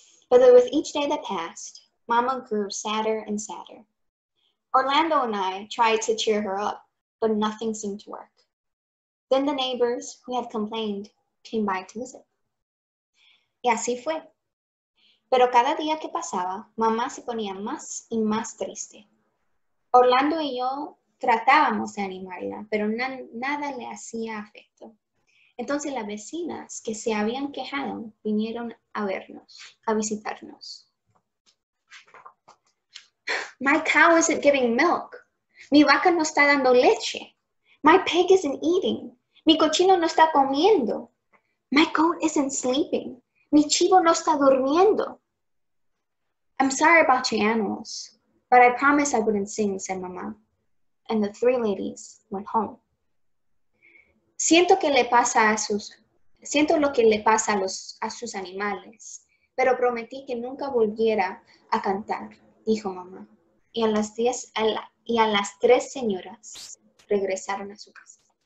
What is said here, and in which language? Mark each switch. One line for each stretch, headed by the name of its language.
English: But though with each day that passed, Mama grew sadder and sadder. Orlando and I tried to cheer her up, but nothing seemed to work. Then the neighbors who had complained came by to visit.
Spanish: Y así fue. Pero cada día que pasaba, mamá se ponía más y más triste. Orlando y yo tratábamos de animarla, pero nada le hacía efecto. Entonces las vecinas que se habían quejado vinieron a vernos, a visitarnos.
English: My cow isn't giving milk.
Spanish: Mi vaca no está dando leche.
English: My pig isn't eating.
Spanish: Mi cochino no está comiendo.
English: My goat isn't sleeping.
Spanish: Mi chivo no está durmiendo.
English: I'm sorry about your animals, but I promise I wouldn't sing, said Mama. And the 3 ladies went home.
Spanish: Siento lo que le pasa a sus animales, pero prometí que nunca volviera a cantar, dijo Mamá. Y a las 10, a las 3 señoras regresaron a su casa.